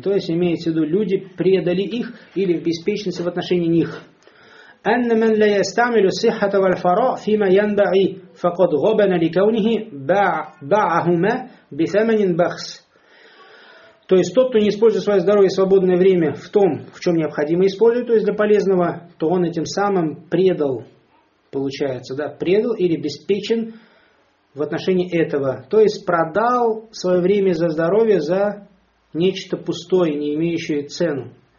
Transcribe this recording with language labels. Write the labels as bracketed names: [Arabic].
[Russian] То есть, имеется в виду, люди предали их или беспечность в отношении них. [Arabic] أن من لا يستعمل الصحة والفراء فيما ينبغي فقد غبن لكونه باعهما بثمن بخس. [Russian] То есть тот, кто не использует свое здоровье и свободное время в том, в чем необходимо использовать, то есть для полезного, то он этим самым предал, получается, да, предал или обеспечен в отношении этого. То есть продал свое время за здоровье за нечто пустое, не имеющее цену.